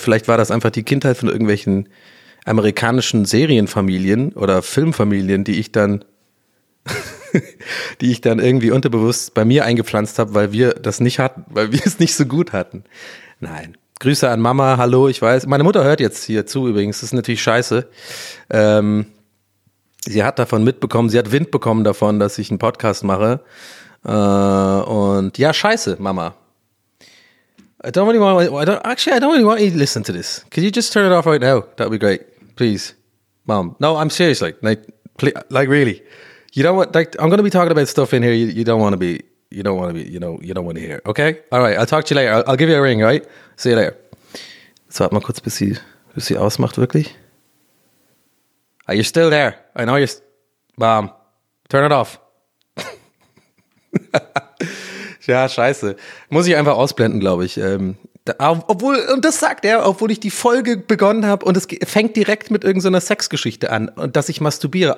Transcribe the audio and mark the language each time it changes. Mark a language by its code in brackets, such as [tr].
[de] Vielleicht war das einfach die Kindheit von irgendwelchen amerikanischen Serienfamilien oder Filmfamilien, die ich dann irgendwie unterbewusst bei mir eingepflanzt habe, weil wir es nicht so gut hatten. Nein, Grüße an Mama, hallo, ich weiß. Meine Mutter hört jetzt hier zu übrigens, das ist natürlich scheiße. Sie hat davon mitbekommen, sie hat Wind bekommen davon, dass ich einen Podcast mache. Und ja, scheiße, Mama. [en] I don't really want to listen to this. Could you just turn it off right now? That would be great. Please. Mom. No, I'm serious. Like, really. You don't want, like, I'm going to be talking about stuff in here you don't want to hear. Okay? All right, I'll talk to you later. I'll give you a ring, right? See you later. [de] So, warte mal kurz, bis sie ausmacht, wirklich. [en] Are you still there? I know you're... Mom. Turn it off. [de] Ja, scheiße. Muss ich einfach ausblenden, glaube ich. Obwohl, und das sagt er, obwohl ich die Folge begonnen habe und es fängt direkt mit irgendeiner Sexgeschichte an und dass ich masturbiere.